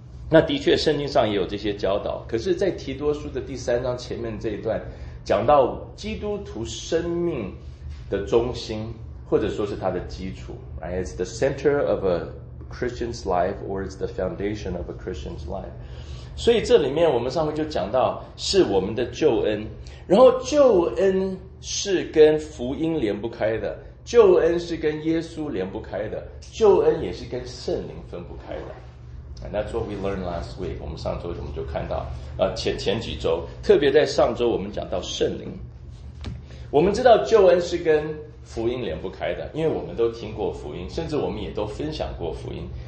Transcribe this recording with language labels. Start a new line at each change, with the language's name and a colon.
Chinese: 那的确圣经上也有这些教导，可是在提多书的第三章前面这一段讲到基督徒生命的中心，或者说是它的基础， right?
English: It's the center of a Christian's life, or it's the foundation of a Christian's life.
Chinese: 所以这里面我们上回就讲到是我们的救恩，然后救恩是跟福音连不开的，救恩是跟耶稣连不开的，救恩也是跟圣灵分不开的。
English: And that's what we learned last week.
Chinese: 我们上周我们就看到，前几周，特别在上周我们讲到圣灵，我们知道救恩是跟福音连不开的，因为我们都听过福音，甚至我们也都分享过福音。